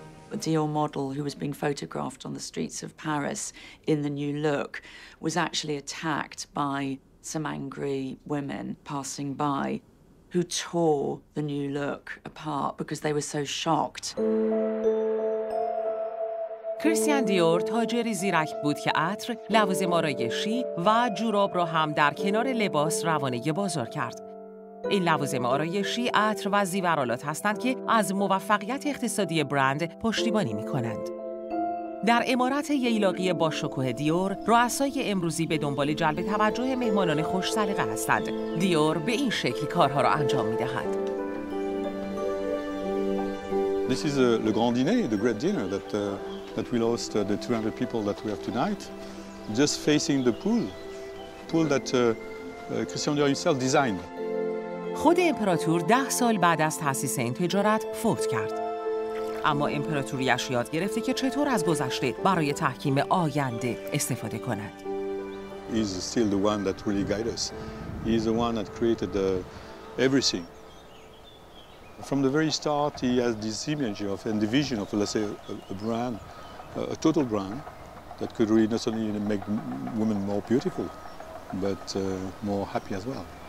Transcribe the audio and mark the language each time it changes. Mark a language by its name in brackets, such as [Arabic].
[English] A Dior model who was being photographed on the streets of Paris in the new look was actually attacked by some angry women passing by who tore the new look apart because they were so shocked. [Persian] کریستیان دیور تاجری زیرک بود که عطر، لوازم آرایشی و جوراب را هم در کنار لباس روانه بازار کرد. این لوازم آرایشی، عطر و زیورآلات هستند که از موفقیت اقتصادی برند پشتیبانی می کنند. در امارت ییلاقی با شکوه دیور، رؤسای امروزی به دنبال جلب توجه مهمانان خوش سلیقه هستند. دیور به این شکل کارها را انجام می‌دهد. [English] This is le grand dîner, the great dinner that we lost the 200 people that we have tonight just facing the pool that Christian Dior himself designed. [Persian] خود امپراتور 10 سال بعد از تأسیس این تجارت فوت کرد. اما امپراتوریش یاد گرفته که چطور از گذشته برای تحکیم آینده استفاده کند. [English] He's still the one that really guided us. He's the one that created everything. From the very start, he has this image of and vision of, let's say, a brand, a total brand that could really not only make women more beautiful, but more happy as well.